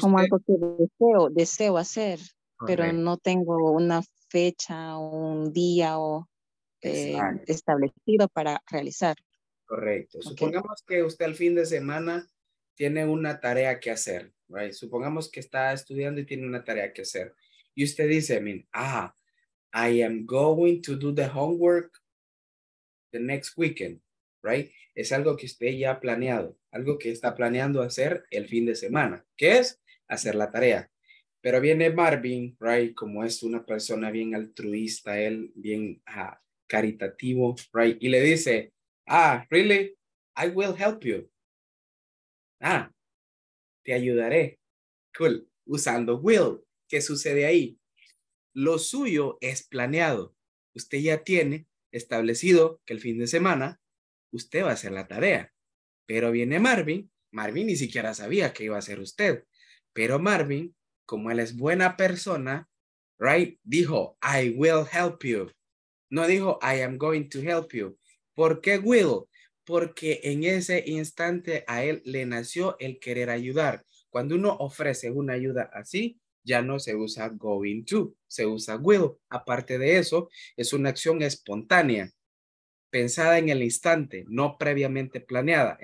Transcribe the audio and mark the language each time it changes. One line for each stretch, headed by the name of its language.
Spanish: Como algo que deseo hacer, correcto. Pero no tengo una fecha o un día o establecido para realizar. Correcto. Okay. Supongamos que usted al fin de semana tiene una tarea que hacer, right? Supongamos que está estudiando y tiene una tarea que hacer. Y usted dice,
English: I am going to do the homework the next weekend, right?
Spanish: Es algo que usted ya ha planeado, algo que está planeando hacer el fin de semana, que es hacer la tarea. Pero viene Marvin, right? Como es una persona bien altruista, él bien caritativo, right? Y le dice,
English: really? I will help you.
Spanish: Te ayudaré. Cool. Usando will. ¿Qué sucede ahí? lo suyo es planeado. Usted ya tiene establecido que el fin de semana usted va a hacer la tarea. Pero viene Marvin. Marvin ni siquiera sabía que iba a hacer usted. Pero Marvin, como él es buena persona, right, dijo,
English: I will help you.
Spanish: No dijo,
English: I am going to help you.
Spanish: ¿Por qué will? Porque en ese instante a él le nació el querer ayudar. Cuando uno ofrece una ayuda así, ya no se usa going to, se usa will. Aparte de eso, es una acción espontánea, pensada en el instante, no previamente planeada.